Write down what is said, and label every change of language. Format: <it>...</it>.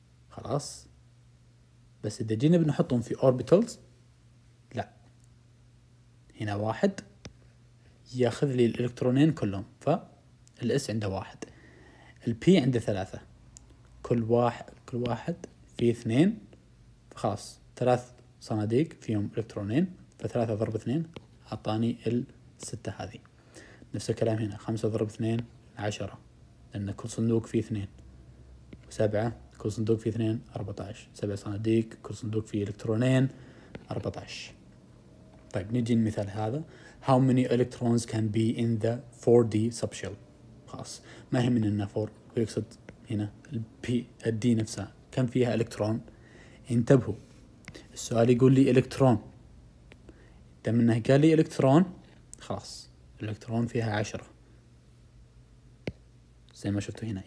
<ar>خلاص بس اذا جينا بنحطهم في اوربيتالز، لا هنا واحد ياخذ لي الالكترونين كلهم، فالاس عنده واحد، البي عنده 3، كل واحد في 2، خلاص 3 صناديق فيهم الكترونين، فثلاثة ضرب 2 اعطاني الستة هذه. نفس الكلام هنا، 5 ضرب 2 10، لان كل صندوق فيه 2، 7 كل صندوق فيه 2 14، 7 صناديق كل صندوق فيه الكترونين 14. طيب نجي المثال هذا،</ar> <en>how many electrons can be in the 4D subshell.</en> <ar>خلاص ما هي من النافور، ويقصد هنا البي الدي نفسها كم فيها الكترون. انتبهوا السؤال يقول لي الكترون، دام انه قال لي الكترون خلاص الكترون فيها 10 زي ما شفتوا هنا.</ar>